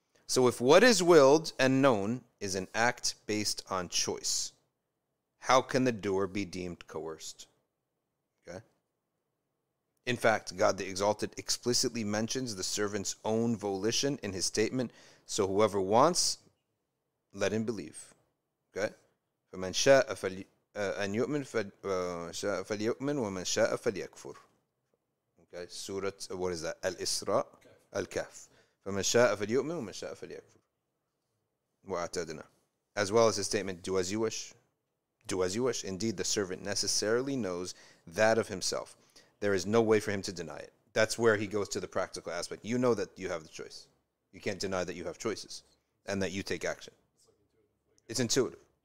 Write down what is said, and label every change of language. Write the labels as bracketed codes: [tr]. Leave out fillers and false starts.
[en] So if what is willed and known is an act based on choice, how can the doer be deemed coerced? Okay? In fact, God the Exalted explicitly mentions the servant's own volition in his statement, so whoever wants, let him believe. Okay. [ar] فمن شاء أن يؤمن فشاء فليؤمن ومن شاء فليكفر. [en] Okay. سورة what is that? الإسراء الكهف. [ar] فمن شاء فليؤمن ومن شاء فليكفر. وأعتدنا. [en] As well as his statement, do as you wish. Do as you wish. Indeed, the servant necessarily knows that of himself. There is no way for him to deny it. That's where he goes to the practical aspect. You know that you have the choice. You can't deny that you have choices and that you take action. It's intuitive.